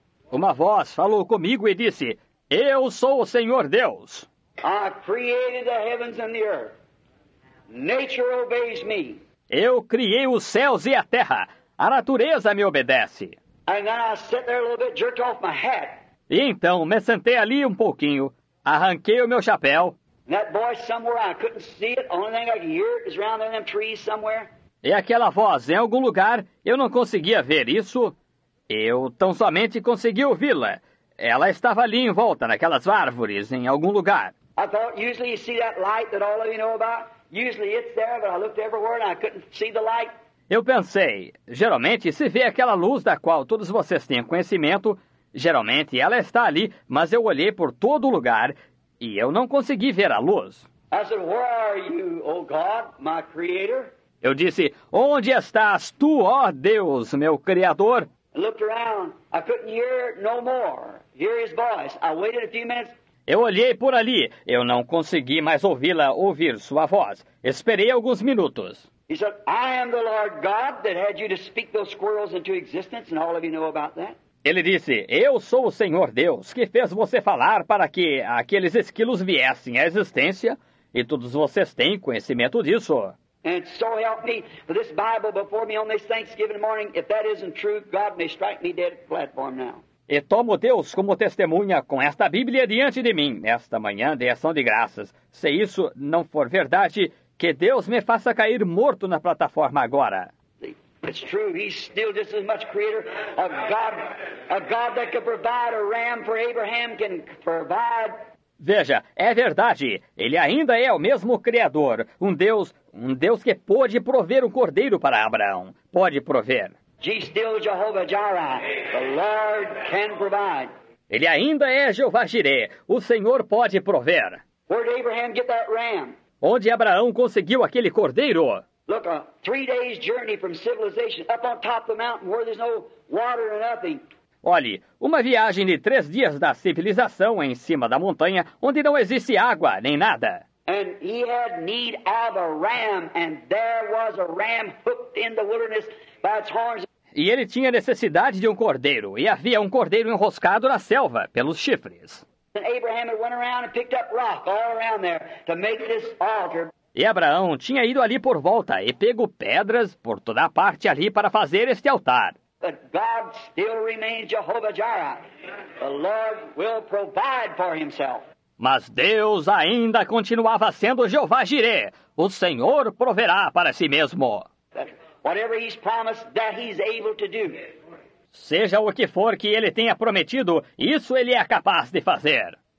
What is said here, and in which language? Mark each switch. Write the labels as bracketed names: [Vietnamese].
[Portuguese] Uma voz falou comigo e disse, eu sou o Senhor Deus. [English] I created the heavens and the earth. Nature obeys me. [Portuguese] Eu criei os céus e a terra. A natureza me obedece. [English] And then I sat there a little bit, jerked off my hat. [Portuguese] E então, me sentei ali um pouquinho, arranquei o meu chapéu. [English] And that voice somewhere, I couldn't see it. Only thing I could hear it was around in them trees somewhere. [Portuguese] E aquela voz, em algum lugar, eu não conseguia ver isso. Eu tão somente consegui ouvi-la. Ela estava ali em volta, naquelas árvores, em algum lugar. [English] I thought, usually you see that light that all of you know about? Usually it's there, but I looked everywhere and I couldn't see the light. [Portuguese] Eu pensei, geralmente se vê aquela luz da qual todos vocês têm conhecimento, geralmente ela está ali, mas eu olhei por todo lugar e eu não consegui ver a luz. [English] I said, where are you, O God, my creator? [Portuguese] Eu disse, onde estás tu, ó Deus, meu Criador? [English] I looked around. I couldn't hear no more. Hear his voice. I waited a few minutes. [Portuguese] Eu olhei por ali. Eu não consegui mais ouvi-la ouvir sua voz. Esperei alguns minutos. [English] He said, I am the Lord God that had you to speak those squirrels into existence, and all of you know about that. [Portuguese] Ele disse, eu sou o Senhor Deus que fez você falar para que aqueles esquilos viessem à existência, e todos vocês têm conhecimento disso. [English] And so help me, for this Bible before me on this Thanksgiving morning, if that isn't true, God may strike me dead at the platform now. [Portuguese] E tomo Deus como testemunha com esta Bíblia diante de mim, esta manhã de ação de graças. Se isso não for verdade, que Deus me faça cair morto na plataforma agora. [English] It's true, he's still just as much creator of God, a God that could provide a ram for Abraham can provide. [Portuguese] Veja, é verdade, ele ainda é o mesmo Criador, um Deus que pode prover um cordeiro para Abraão, pode prover. [English] He's still Jehovah Jireh, the Lord can provide. [Portuguese] Ele ainda é Jeová Jireh, o Senhor pode prover. [English] Where did Abraham get that ram? [Portuguese] Onde Abraão conseguiu aquele cordeiro? [English] Look, a 3 days journey from civilization, up on top of the mountain where there's no water or nothing. [Portuguese] Olhe, uma viagem de 3 dias da civilização em cima da montanha, onde não existe água nem nada. [English] And he had need of a ram, and there was a ram hooked in the wilderness by its horns. [Portuguese] E ele tinha necessidade de um cordeiro, e havia um cordeiro enroscado na selva pelos chifres. [English] And Abraham had went around and picked up rock all around there to make this altar. [Portuguese] E Abraão tinha ido ali por volta e pegou pedras por toda a parte ali para fazer este altar. [English] But God still remains Jehovah Jireh. The Lord will provide for himself. [Portuguese] Mas Deus ainda continuava sendo Jeová Jireh. O Senhor proverá para si mesmo. [English] Whatever he's promised, that he's able to do. [Portuguese] Seja o que for que ele tenha prometido, isso ele é capaz de fazer.